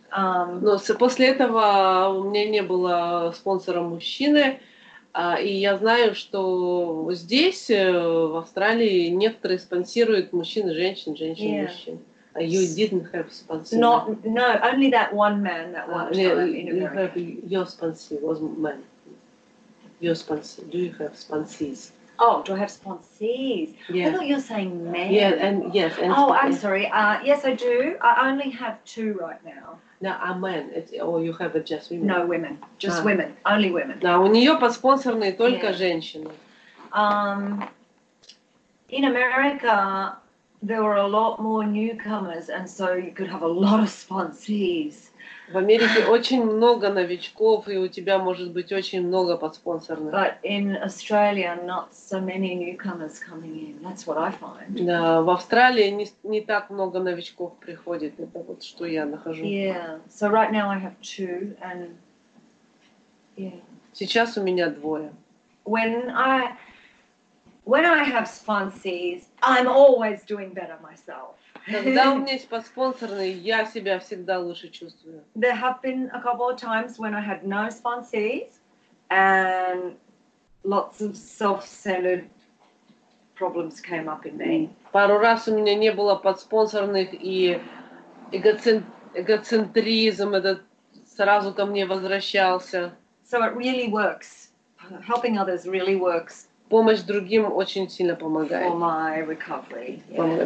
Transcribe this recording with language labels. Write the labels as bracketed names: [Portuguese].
[Russian] Но после этого у меня не было спонсора мужчины, и я знаю, что здесь, в Австралии, некоторые спонсируют мужчин, женщин, женщин, мужчин. [English] You didn't have sponsor. No, only that one man, that one time in America. Your sponsor was man. Your sponsor. Do you have sponsors? Oh, do I have sponsees? Yeah. I thought you were saying men. Yeah, and yes. And oh, I'm sorry. Yes, I do. I only have two right now. No, a man. Or you have just women? No, women. Just women. Only women. [Russian] Да, у нее подспонсорные только женщины. [English] In America, there were a lot more newcomers, and so you could have a lot of sponsees. [Russian] В Америке очень много новичков, и у тебя может быть очень много подспонсорных. [English] But in Australia, not so many newcomers coming in. That's what I find. [Russian] Да, в Австралии не так много новичков приходит. Это вот что я нахожу. [English] Yeah. So right now I have two, and yeah. [Russian] Сейчас у меня двое. [English] When I have sponsees, I'm always doing better myself. [Russian] Когда у меня есть подспонсорные, я себя всегда лучше чувствую. [English] There have been a couple of times when I had no sponsees and lots of self-centered problems came up in me. [Russian] Пару раз у меня не было подспонсорных, и эгоцентризм этот сразу ко мне возвращался. [English] So it really works. Helping others really works. [Russian] Помощь другим очень сильно помогает. [English] For my recovery, yeah.